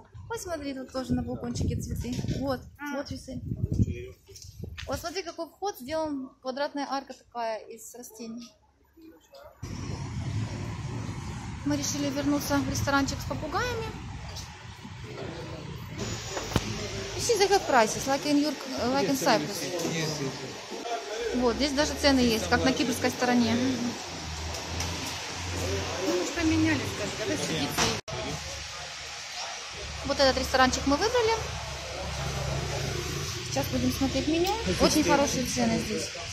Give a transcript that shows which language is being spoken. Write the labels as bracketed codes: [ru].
[ru] Ой, смотри, тут тоже на балкончике цветы. Вот, вот часы. Вот смотри, какой вход сделан. Квадратная арка такая из растений. Мы решили вернуться в ресторанчик с попугаями. [en] You see, they have prices, like in York, like in Cyprus. Yes, yes, yes. [ru] Вот, здесь даже цены есть, как на кипрской стороне. Ну, мы же поменялись, когда сидите. Вот этот ресторанчик мы выбрали. Сейчас будем смотреть меню. Очень хорошие цены здесь.